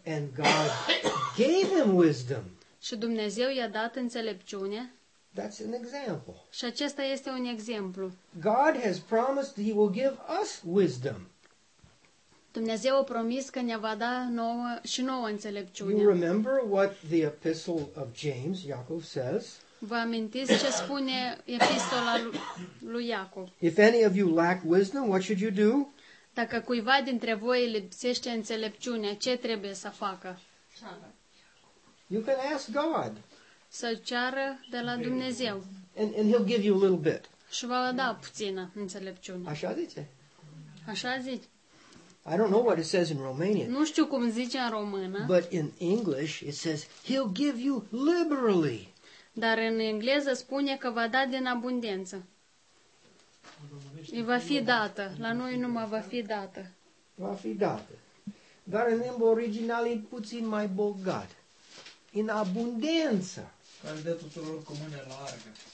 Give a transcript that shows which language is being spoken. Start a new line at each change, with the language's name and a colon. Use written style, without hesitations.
English: And God gave him wisdom.
Romanian: Și Dumnezeu i-a dat înțelepciune.
English: That's an example.
Romanian: Și acesta este un exemplu.
English: God has promised he will give us wisdom.
Romanian: Dumnezeu a promis că ne va da nouă și nouă înțelepciune.
English: You remember what the epistle of James, Iacov, says?
Romanian: Vă amintiți ce spune epistola lui Iacov?
English: If any of you lack wisdom, what should you do?
Romanian: Dacă cuiva dintre voi lipsește înțelepciunea, ce trebuie să facă?
English: You can ask God.
Romanian: Să ceară de la Dumnezeu.
English: And he'll give you a little bit.
Romanian: Și va da puțină înțelepciune. Așa zice? Așa zice.
English: I don't know what it says in Romanian.
Romanian: Nu știu cum zice în română.
English: But in English it says he'll give you liberally.
Romanian: Dar în engleză spune că va da din abundență. Îi va fi dată. La noi numai va fi dată. Va fi dată. Dar în limba originală e puțin mai bogat. În abundență. Care de tuturor cu mână largă.